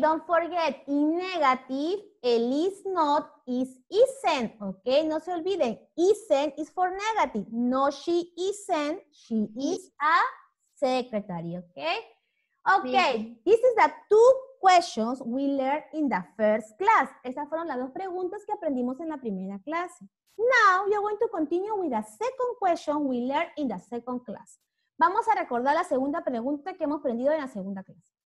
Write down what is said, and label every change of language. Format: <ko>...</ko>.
<en>Don't forget, in negative, el is not is isn't, okay?</en> <es>No se olviden,</es> <en>isn't is for negative. No, she isn't, she is a secretary, okay? Okay, this is the two questions we learned in the first class.</en> <es>Esas fueron las dos preguntas que aprendimos en la primera clase.</es> <en>Now, you're going to continue with the second question we learned in the second class.</en> <es>Vamos a recordar la segunda pregunta que hemos aprendido en la segunda clase.</es>